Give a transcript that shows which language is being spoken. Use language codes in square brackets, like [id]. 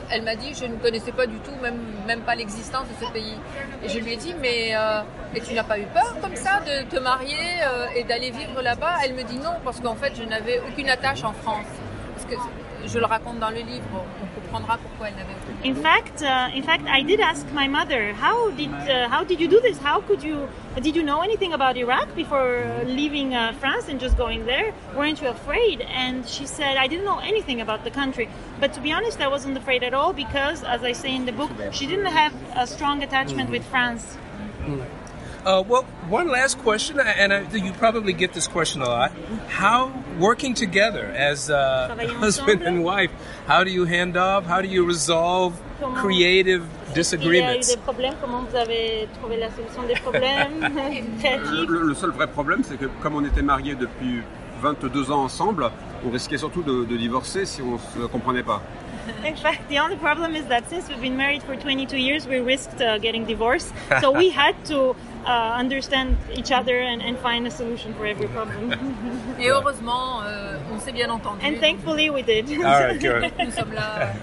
[fr] Elle m'a dit, je ne connaissais pas du tout, même pas l'existence de ce pays. Et je lui ai dit, mais tu n'as pas eu peur comme ça de te marier et d'aller vivre là-bas? Elle me dit non, parce qu'en fait, je n'avais aucune attache en France. Parce que je le raconte dans le livre, on comprendra pourquoi elle n'avait aucune attache. [en] In fact, I did ask my mother, how did you do this? Did you know anything about Iraq before leaving France and just going there? Weren't you afraid? And she said, I didn't know anything about the country. But to be honest, I wasn't afraid at all because, as I say in the book, she didn't have a strong attachment with France. One last question, and you probably get this question a lot. How, working together as husband and wife, how do you hand off? How do you resolve creative disagreements? [fr] Il y a eu des problèmes. Comment vous avez trouvé la solution des problèmes? Le seul vrai problème, c'est que comme on était mariés depuis 22 ans ensemble, on risquait surtout de divorcer si on se comprenait pas. [en] In fact, the only problem is that since we've been married for 22 years, we risked getting divorced. So we had to understand each other and find a solution for every problem. [fr] Et heureusement, on s'est bien entendu. [en] And thankfully, we did. All right, good. [fr] Nous sommes là.